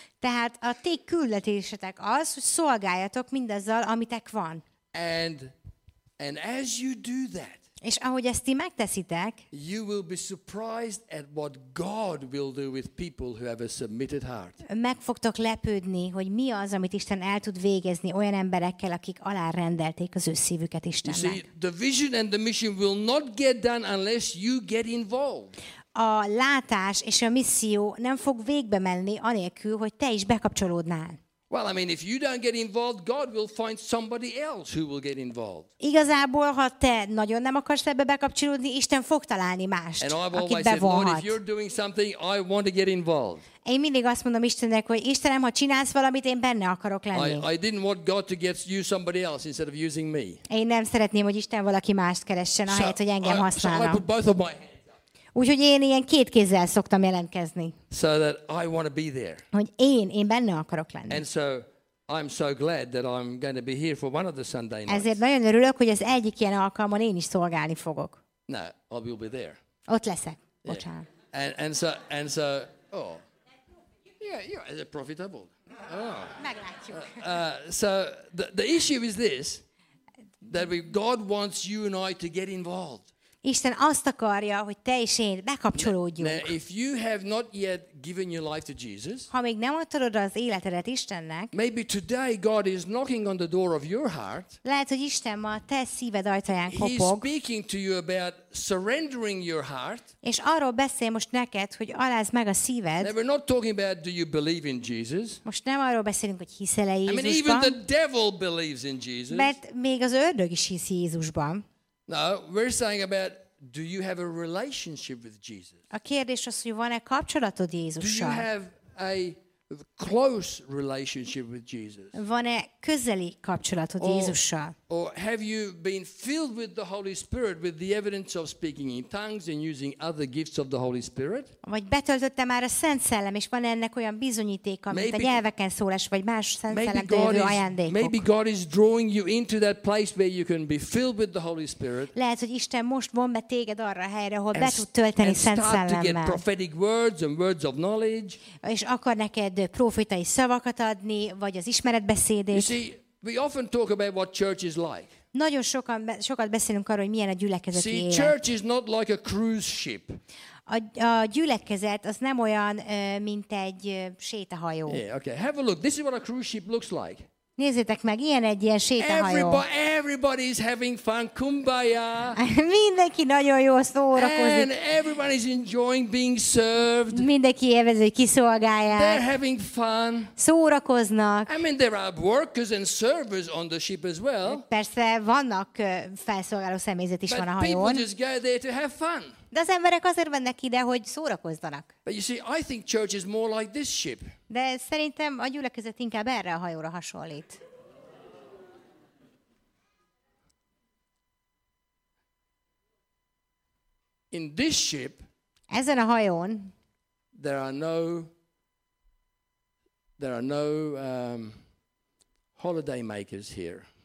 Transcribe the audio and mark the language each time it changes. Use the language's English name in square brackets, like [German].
[Hungarian] Tehát a ti küldetésetek az, hogy szolgáljatok mindazzal, amitek van. [English] And as you do that, [Hungarian] és ahogy ezt ti megteszitek, [English] you will be surprised at what God will do with people who have a submitted heart. [Hungarian] Meg fogtok lepődni, hogy mi az, amit Isten el tud végezni olyan emberekkel, akik alárendelték az ő szívüket Istennek. [English] See, the vision and the mission will not get done unless you get involved. [Hungarian] A látás és a misszió nem fog végbe menni anélkül, hogy te is bekapcsolódnál. [English] Well, I mean, if you don't get involved, God will find somebody else who will get involved. [Hungarian] Igazából, ha te nagyon nem akarsz ebbe bekapcsolódni, Isten fog találni mást, akit bevonhat. [English] And I've always said, Lord, if you're doing something, I want to get involved. [Hungarian] Én mindig azt mondom Istennek, hogy Istenem, ha csinálsz valamit, én benne akarok lenni. [English] I didn't want God to get you somebody else instead of using me. [Hungarian] Én nem szeretném, hogy Isten valaki mást keressen, ahelyett, hogy engem használna. [English] So I put both of my hands up. [Hungarian] Úgyhogy én ilyen két kézzel szoktam jelentkezni. [English] So that I want to be there. [Hungarian] Hogy én benne akarok lenni. [English] And so I'm so glad that I'm going to be here for one of the Sunday nights. [Hungarian] Ezért nagyon örülök, hogy az egyik ilyen alkalmon én is szolgálni fogok. [English] No, I will be there. [Hungarian] Ott leszek. Bocsánat. [English] Yeah. And so oh. Yeah, you are profitable. Oh. [Hungarian] Meglátjuk. [English] So the issue is this, that God wants you and I to get involved. [Hungarian] Isten azt akarja, hogy te és én bekapcsolódjunk. [English] Now, if you have not yet given your life to Jesus, [Hungarian] ha még nem adtad oda az életedet Istennek, [English] maybe today God is knocking on the door of your heart. [Hungarian] Lehet, hogy Isten ma a te szíved ajtaján kopog. [English] He's speaking to you about surrendering your heart. [Hungarian] És arról beszél most neked, hogy alázd meg a szíved. [English] Now, we're not talking about do you believe in Jesus? [Hungarian] Most nem arról beszélünk, hogy hiszel-e Jézusban. [English] I mean, even the devil believes in Jesus. [Hungarian] Mert még az ördög is hisz Jézusban. [English] No, we're saying about do you have a relationship with Jesus? [Hungarian] A kérdés az, hogy van-e kapcsolatod Jézussal? [English] Do you have a close relationship with Jesus? [Hungarian] Van-e közeli kapcsolatod Jézussal? [English] Or have you been filled with the Holy Spirit with the evidence of speaking in tongues and using other gifts of the Holy Spirit? [Hungarian] Vagy betöltötte már a Szent Szellem, és van ennek olyan bizonyítéka, mint a nyelveken szólás vagy más Szent Szellem tévő ajándékok? [English] Maybe God is drawing you into that place where you can be filled with the Holy Spirit. [Hungarian] Lehet, hogy Isten most von be téged arra a helyre, ahol be tud tölteni Szent Szellemmel. [English] And start to get prophetic words and words of knowledge. [Hungarian] És akar neked prófétai szavakat adni, vagy az ismeretbeszédét. [English] We often talk about what church is like. [Hungarian] Nagyon sokat beszélünk arról, hogy milyen a gyülekezeti [English] See, [Hungarian] élet. [English] See, church is not like a cruise ship. [Hungarian] A gyülekezet az nem olyan, mint egy sétahajó. [English] Yeah, okay. Have a look. This is what a cruise ship looks like. [Hungarian] Nézzétek meg, ilyen egy ilyen sétahajó. [English] Everybody is having fun, kumbaya. [Hungarian] Mindenki nagyon jól szórakozik. [English] And everyone is enjoying being served. [Hungarian] Mindenki élvezi, hogy kiszolgálják. [English] They're having fun. [Hungarian] Szórakoznak. [English] I mean, there are workers and servers on the ship as well. [Hungarian] Persze vannak felszolgáló személyzet is [English] But [Hungarian] van a hajón. [English] But people just go there to have fun. [Hungarian] De az emberek azért vannak ide, hogy szórakozzanak. [English] But you see, I think church is more like this ship. [Hungarian] De szerintem a gyülekezet inkább erre a hajóra hasonlít. [English] In this ship, [Hungarian] ezen a hajón, [English] there are no holiday makers here.